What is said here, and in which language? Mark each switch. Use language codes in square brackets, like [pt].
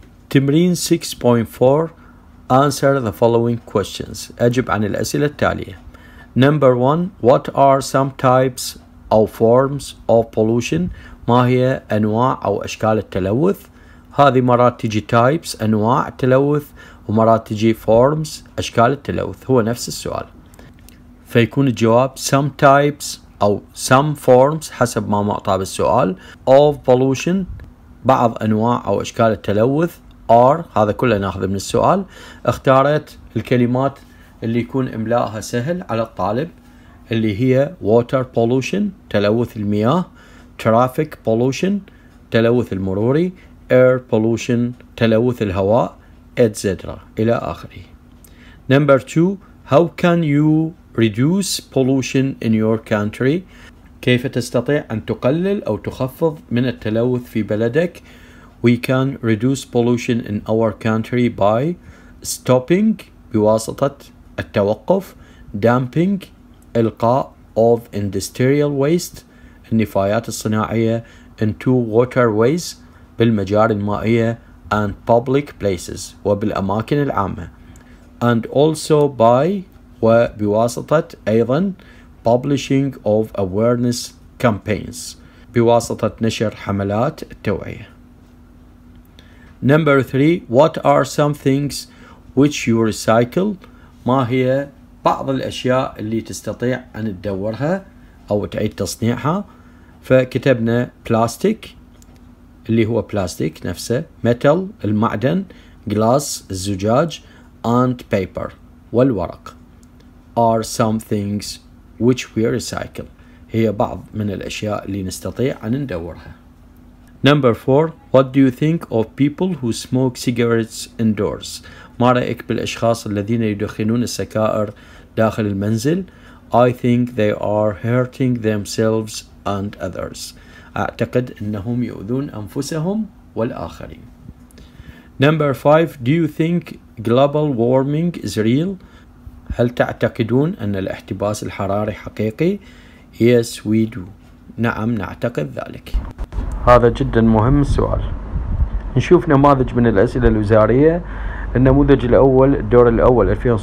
[en] تمرين 6.4 answer the following questions. [ar] أجب عن الأسئلة التالية. [en] Number 1, what are some types or forms of pollution? [ar] ما هي أنواع أو أشكال التلوث؟ هذه مرات تجي types أنواع التلوث ومرات تجي forms أشكال التلوث. هو نفس السؤال. فيكون الجواب [en] some types [ar] أو [en] some forms [ar] حسب ما معطى بالسؤال [en] of pollution. [ar] بعض أنواع أو أشكال التلوث are هذا كله ناخذ من السؤال. اختارت الكلمات اللي يكون إملاءها سهل على الطالب اللي هي water pollution تلوث المياه, traffic pollution تلوث المروري, air pollution تلوث الهواء, etc. إلى آخره. [en] Number 2, how can you reduce pollution in your country? [ar] كيف تستطيع أن تقلل أو تخفض من التلوث في بلدك؟ [en] We can reduce pollution in our country by stopping [ar] بواسطة التوقف, [en] dumping إلقاء of industrial waste [ar] النفايات الصناعية [en] into waterways [ar] بالمجاري المائية [en] and public places [ar] وبالأماكن العامة, [en] and also by [ar] وبواسطة أيضا [en] publishing of awareness campaigns [ar] بواسطة نشر حملات التوعية. [en] Number 3, what are some things which you recycle? [ar] ما هي بعض الأشياء اللي تستطيع أن تدورها أو تعيد تصنيعها؟ فكتبنا plastic اللي هو plastic نفسه, metal المعدن, glass الزجاج, [en] and paper [ar] والورق [en] are some things which we recycle. [ar] هي بعض من الأشياء اللي نستطيع أن ندورها. [en] Number 4, what do you think of people who smoke cigarettes indoors? [ar] ما رأيك بالأشخاص الذين يدخنون السكائر داخل المنزل؟ [en] I think they are hurting themselves and others. [ar] أعتقد أنهم يؤذون أنفسهم والآخرين. [en] Number 5, do you think global warming is real? [ar] هل تعتقدون أن الاحتباس الحراري حقيقي؟ [en] Yes, we do. [ar] نعم نعتقد ذلك. هذا جدا مهم السؤال. نشوف نماذج من الأسئلة الوزارية. النموذج الأول الدور الأول 2017-2018.